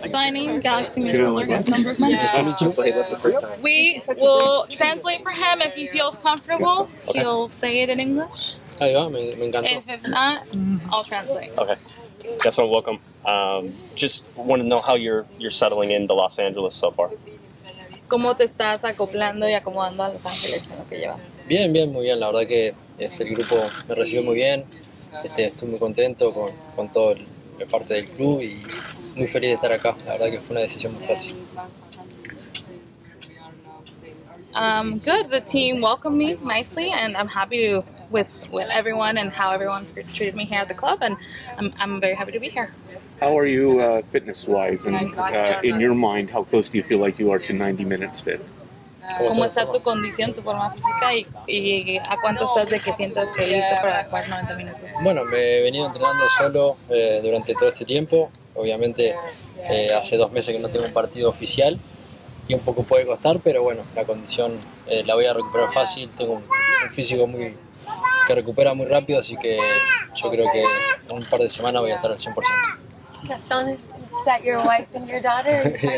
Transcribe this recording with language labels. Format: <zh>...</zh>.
<en>New signing, Gaston Brugman. We will translate for him if he feels comfortable. Okay. He'll say it in English. If not, I'll translate. Okay. Gaston, welcome. Just want to know how you're settling into Los Angeles so far.</en> <es>¿Cómo te estás acoplando y acomodando a Los Ángeles en lo que llevas? Bien, bien, muy bien. La verdad que el grupo me recibió muy bien. Estoy muy contento con toda la parte del club y muy feliz de estar acá. La verdad que fue una decisión muy fácil.</es> <en>Good. The team welcomed me nicely, and I'm happy with everyone and how everyone's treated me here at the club, and I'm very happy to be here. How are you fitness-wise, and in your mind, how close do you feel like you are to 90 minutes fit?</en> <es>¿Cómo está tu condición, tu forma física, y a cuánto estás de que sientas que listo para jugar 90 minutos? Bueno, me he venido entrenando solo durante todo este tiempo. Obviamente, hace dos meses que no tengo un partido oficial, y un poco puede costar, pero bueno, la condición la voy a recuperar fácil. Tengo un físico muy que recupera muy rápido, así que yo creo que en un par de semanas voy a estar al 100%.</es> <en>Gaston, is that your wife and your daughter?</en>